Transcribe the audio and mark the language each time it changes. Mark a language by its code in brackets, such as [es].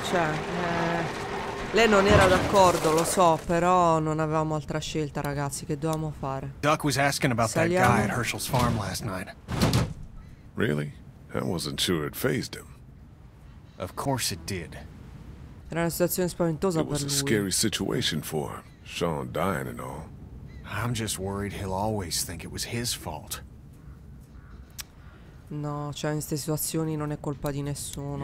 [it] Cioè, lei non era d'accordo, lo so, però non avevamo altra scelta, ragazzi. Che dovevamo fare? [en] Duck was asking about that guy at Herschel's farm last night. Really? I wasn't sure it fazed him. Of course it did. [it] Era una situazione spaventosa per lui. [en] It was a scary situation for him. Sean dying and all. I'm just worried he'll always think it was his fault. [it] No, cioè in queste situazioni non è colpa di nessuno,